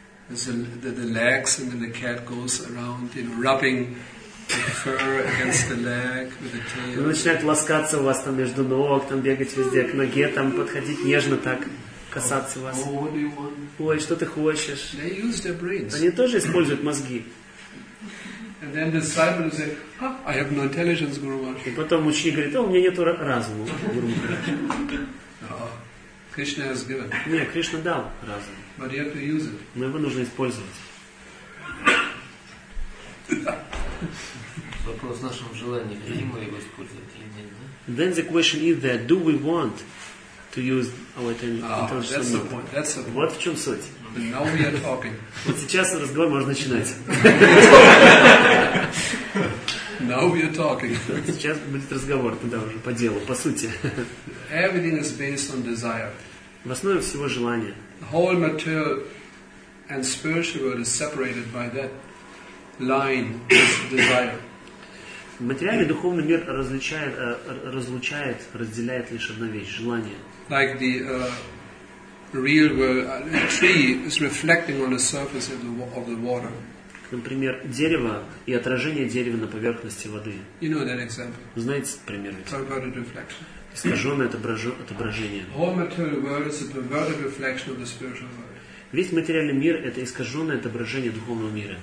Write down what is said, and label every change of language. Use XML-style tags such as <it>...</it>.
<en>The legs and then the cat goes around, you know, rubbing the fur against the leg with the tail.</en> <ru>Ну, начинает ласкаться у вас там между ног, там бегать везде, к ноге там подходить нежно так. Касаться вас. Ой, что ты хочешь?</ru> <en>They use their brains.</en> <ru>Они тоже используют мозги.</ru> <en>And then the disciple says, "I have no intelligence, Guru Maharaj."</en> <ru>И потом ученик говорит: "О, у меня нету разума, Гуру Махарадж."</ru> <en>Кришна has given.</en> <ru>Не, Кришна дал разум.</ru> <en>But you have to use it.</en> <ru>Но его нужно использовать. Вопрос в нашем желании, хотим мы его использовать или нет?</ru> <en>Then the question is that, do we want to use our intelligence. That's the point.</en> <ru>Вот в чем суть.</ru> <en>Now we are talking.</en> <ru>Вот сейчас разговор можно начинать.</ru> <en>Now we are talking.</en> <ru>Сейчас будет разговор, тогда уже по делу, по сути.</ru> <en>Everything is based on desire.</en> <ru>В основе всего желание.</ru> <en>The whole material and spiritual world is separated by that line of desire.</en> <ru>Материальный духовный мир различает, разлучает, разделяет лишь одна вещь — желание.</ru> <en>Like the real world, a tree is reflecting on the surface of the water.</en> <ru>Например, дерево и отражение дерева на поверхности воды.</ru> <en>You know that example.</en> <ru>Знаете пример?</ru> <en>Talk about a reflection.</en> <ru>Искаженное отображение.</ru> <en>All material world is a perverted reflection of the spiritual world.</en> <ru>Весь материальный мир — это искаженное отображение духовного мира.</ru>